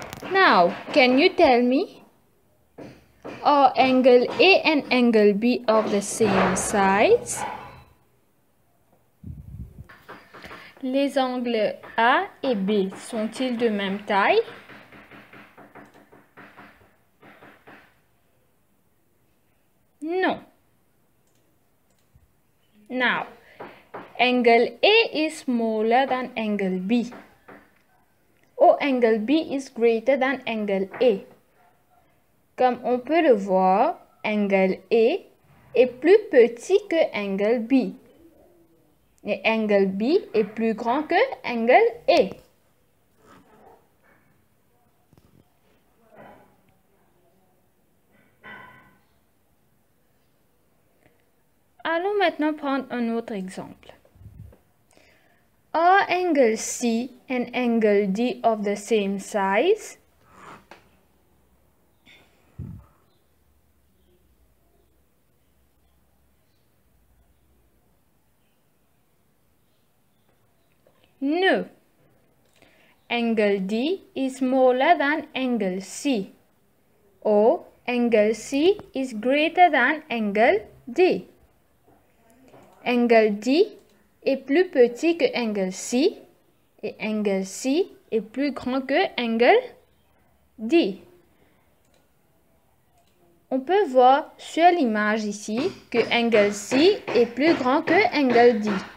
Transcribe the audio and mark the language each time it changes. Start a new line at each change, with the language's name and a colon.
English: Now, can you tell me, are angle A and angle B of the same size?
French: Les angles A et B sont-ils de même taille? Non.
English: Now, angle A is smaller than angle B. Or angle B is greater than angle A.
French: Comme on peut le voir, angle A est plus petit que angle B. Et angle B est plus grand que angle A. Allons maintenant prendre un autre exemple.
English: Are angle C and angle D of the same size? No. Angle D is smaller than angle C. Or angle C is greater than angle D.
French: Angle D est plus petit que angle C et angle C est plus grand que angle D. On peut voir sur l'image ici que angle C est plus grand que angle D.